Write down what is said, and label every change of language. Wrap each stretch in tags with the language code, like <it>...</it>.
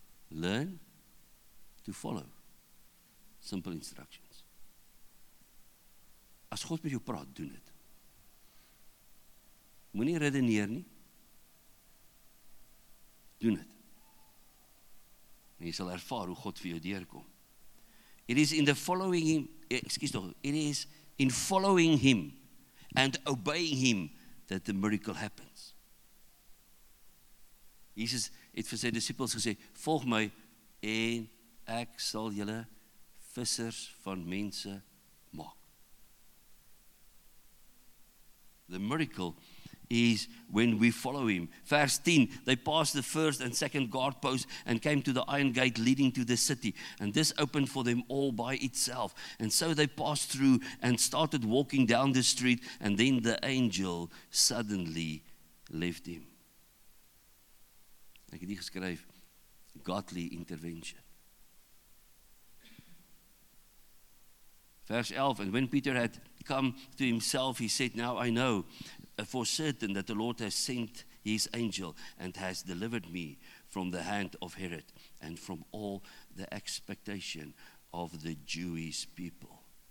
<en>Learn to follow simple instructions.</en> <af>As God met jou praat, doen het. Moenie redeneer nie. Doen het. En jy sal ervaar hoe God vir jou deurkom.</af> <en>It is in following him and obeying him that the miracle happens.</en> <af>Jesus het vir sy disippels gesê, volg my en ek sal julle vissers van mense maak.</af> <en>The miracle is when we follow him. Verse 10, they passed the first and second guard post and came to the iron gate leading to the city. And this opened for them all by itself. And so they passed through and started walking down the street. And then the angel suddenly left him.</en> <af>Ek het hier geskryf,</af> <en>godly intervention. Verse 11, and when Peter had come to himself, he said, now I know for certain that the Lord has sent his angel and has delivered me from the hand of Herod and from all the expectation of the Jewish people.</en>